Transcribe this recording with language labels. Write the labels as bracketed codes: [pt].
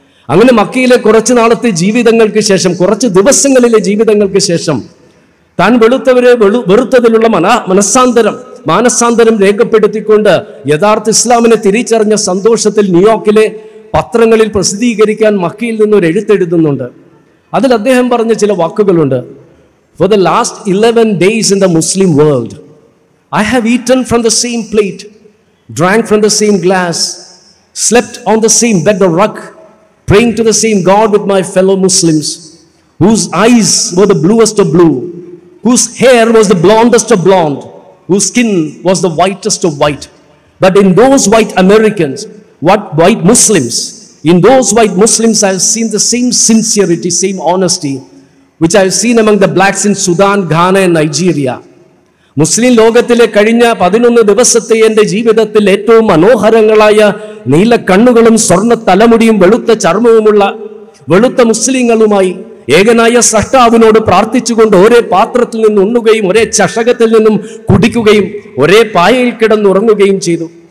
[ml] അങ്ങനെ മക്കയിലെ കുറച്ച് നാളത്തെ ജീവിതങ്ങൾക്ക് ശേഷം, കുറച്ച് ദിവസങ്ങളിലെ ജീവിതങ്ങൾക്ക് ശേഷം, താൻ വെളുത്തവരെ വെറുത്തതിലുള്ള മാനസാന്തരം രേഖപ്പെടുത്തിക്കൊണ്ട് യഥാർത്ഥ ഇസ്ലാമിനെ തിരിച്ചറിഞ്ഞ സന്തോഷത്തിൽ ന്യൂയോർക്കിലെ പത്രങ്ങളിൽ പ്രസിദ്ധീകരിക്കാൻ മക്കയിൽ നിന്ന് ഒരു എഴുത്തെഴുതുന്നുണ്ട്. അതിൽ അദ്ദേഹം പറഞ്ഞ ചില വാക്കുകളുണ്ട്. [en] For the last 11 days in the Muslim world, I have eaten from the same plate, drank from the same glass, slept on the same bed or rug, praying to the same God with my fellow Muslims, whose eyes were the bluest of blue, whose hair was the blondest of blonde, whose skin was the whitest of white. But in those white Americans, what white Muslims, in those white Muslims I have seen the same sincerity, same honesty, which I have seen among the blacks in Sudan, Ghana and Nigeria. [ml] മുസ്ലിം ലോകത്തിലെ കഴിഞ്ഞ 11 ദിവസത്തെ എൻ്റെ ജീവിതത്തിൽ ഏറ്റവും മനോഹരങ്ങളായ നീല കണ്ണുകളും സ്വർണ്ണ തലമുടിയും വെളുത്ത ചർമ്മവുമുള്ള വെളുത്ത മുസ്ലിങ്ങളുമായി ഏകനായ സ്രഷ്ടാവിനോട് പ്രാർത്ഥിച്ചുകൊണ്ട് ഒരേ പാത്രത്തിൽ നിന്ന് ഉണ്ണുകയും ഒരേ ചഷകത്തിൽ നിന്നും കുടിക്കുകയും ഒരേ പായയിൽ കിടന്നുറങ്ങുകയും ചെയ്തു.